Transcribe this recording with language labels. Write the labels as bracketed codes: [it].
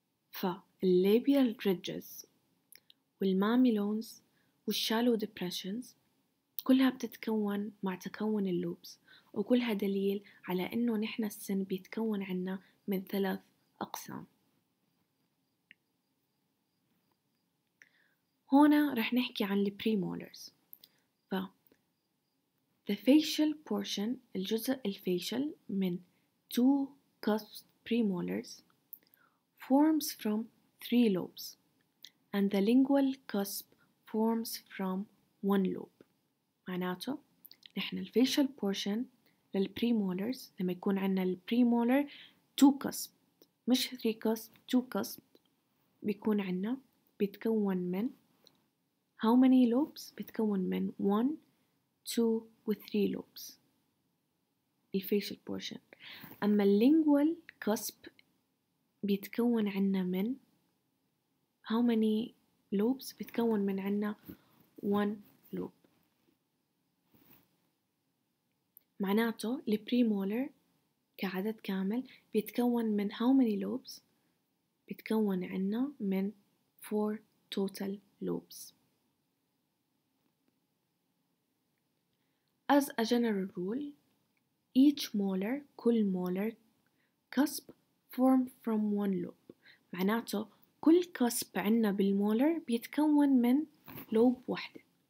[ar] فالـ labial ridges والـ mamelons والـ shallow depressions كلها بتتكون مع تكون الـ lobes، وكلها دليل على إنه نحن السن بيتكون عنا من 3 أقسام. هنا رح نحكي عن الـ premolars. ف [en] The facial portion, [ar] الجزء الفاشل من [en] two cusped premolars forms from three lobes and the lingual cusp forms from one lobe. [ar] معناته نحن الفاشل portion للpremolars لما يكون عندنا البريمولر two cusped مش three cusped, two cusped بيكون عندنا بيتكون من [en] how many lobes? [ar] بيتكون من [en] one, two, with three lobes. The facial portion. [ar] أما lingual cusp بيتكون عنا من [en] how many lobes? [ar] بيتكون من عنا one lobe. معناته the premolar كعدد كامل بيتكون من [en] how many lobes? [ar] بيتكون عنا من [en] four total lobes. As a general rule, each molar, [ar] كل molar, [en] cusp form from one lobe. [ar] معناته كل cusp عنا بالmolar بيتكون من lobe واحدة.